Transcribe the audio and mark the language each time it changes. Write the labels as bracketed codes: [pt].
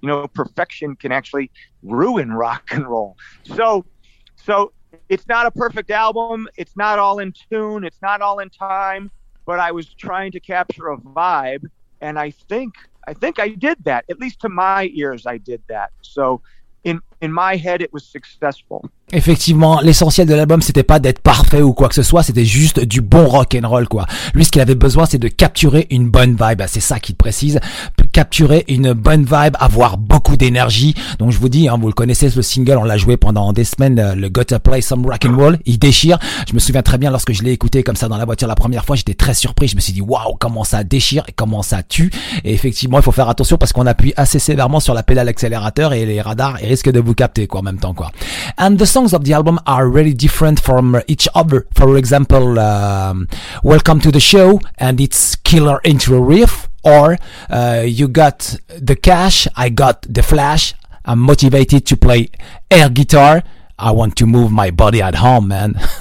[en] You know, perfection can actually ruin rock and roll. So it's not a perfect album. It's not all in tune. It's not all in time. But I was trying to capture a vibe, and I think I did that. At least to my ears, I did that. So in my head, it was successful. [fr] Effectivement, l'essentiel de l'album, c'était pas d'être parfait ou quoi que ce soit. C'était juste du bon rock and roll, quoi. Lui, ce qu'il avait besoin, c'est de capturer une bonne vibe. C'est ça qu'il précise. Capturer une bonne vibe, avoir beaucoup d'énergie. Donc je vous dis, hein, vous le connaissez, le single, on l'a joué pendant des semaines, le Gotta Play Some Rock and Roll, il déchire. Je me souviens très bien lorsque je l'ai écouté comme ça dans la voiture la première fois, j'étais très surpris, je me suis dit waouh, comment ça déchire et comment ça tue. Et effectivement, il faut faire attention parce qu'on appuie assez sévèrement sur la pédale accélérateur et les radars ils risquent de vous capter, quoi, en même temps, quoi. [en] And the songs of the album are really different from each other. For example, Welcome to the Show and its killer intro riff. Or you got the cash, I got the flash, I'm motivated to play air guitar, I want to move my body at home, man.